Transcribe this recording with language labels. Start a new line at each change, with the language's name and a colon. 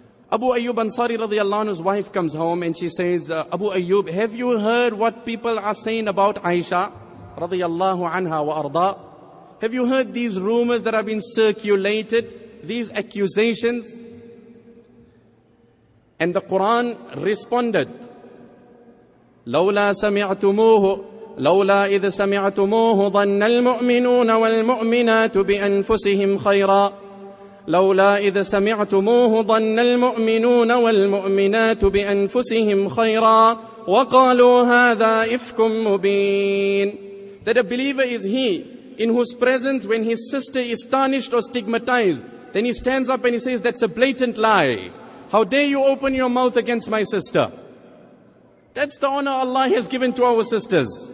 English: Abu Ayyub Ansari radiallahu anhu's wife comes home and she says, Abu Ayyub, have you heard what people are saying about Aisha radiallahu anha wa arda? Have you heard these rumors that have been circulated, these accusations?
Arabic: And the Quran responded, لولا سمعتموه لولا إذ سمعتموه ظن المؤمنون والمؤمنات بأنفسهم خيرا لولا إذ سمعتموه ظن المؤمنون والمؤمنات بأنفسهم خيرا وقالوا هذا إفك مبين.
English: That a believer is he in whose presence when his sister is tarnished or stigmatized, then he stands up and he says, that's a blatant lie. How dare you open your mouth against my sister? That's the honor Allah has given to our sisters.